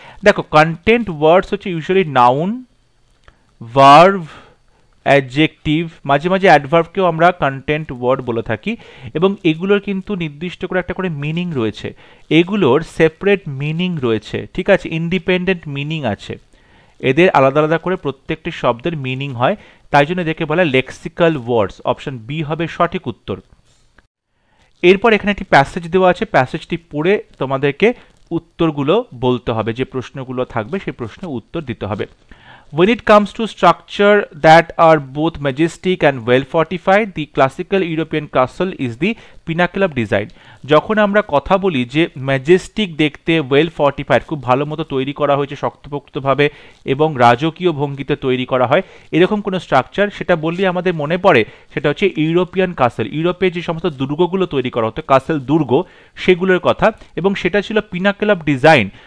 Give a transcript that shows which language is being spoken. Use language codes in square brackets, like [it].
[bn] দেখো কন্টেন্ট ওয়ার্ডস হচ্ছে usually noun, verb, adjective, মাঝে মাঝে অ্যাডভার্বকেও আমরা কন্টেন্ট ওয়ার্ড বলে থাকি, এবং এগুলোর কিন্তু নির্দিষ্ট করে একটা করে মিনিং রয়েছে, এগুলোর সেপারেট মিনিং রয়েছে, ঠিক আছে, ইন্ডিপেন্ডেন্ট মিনিং আছে, এদের আলাদা আলাদা করে প্রত্যেকটি শব্দের মিনিং হয়, তাই জন্য এদেরকে বলা লেক্সিক্যাল ওয়ার্ডস। অপশান বি হবে সঠিক উত্তর। এরপর এখানে একটি প্যাসেজ দেওয়া আছে, প্যাসেজটি পড়ে তোমাদেরকে উত্তরগুলো বলতে হবে, যে প্রশ্নগুলো থাকবে সেই প্রশ্নের উত্তর দিতে হবে। [en] When it comes to structure that are both majestic and well fortified, the classical European castle is the pinnacle of design. [bn] যখন আমরা কথা বলি যে majestic দেখতে, well fortified, খুব ভালো মতো তৈরি করা হয়েছে শক্তপোক্তভাবে, এবং রাজকীয় ভঙ্গিতে তৈরি করা হয়, এরকম কোনো স্ট্রাকচার সেটা বললেই আমাদের মনে পড়ে সেটা হচ্ছে ইউরোপিয়ান কাসেল, ইউরোপে যে সমস্ত দুর্গগুলো তৈরি করা হতো, কাসেল, দুর্গ, সেগুলোর কথা, এবং সেটা ছিল পিনাকেল অফ ডিজাইন,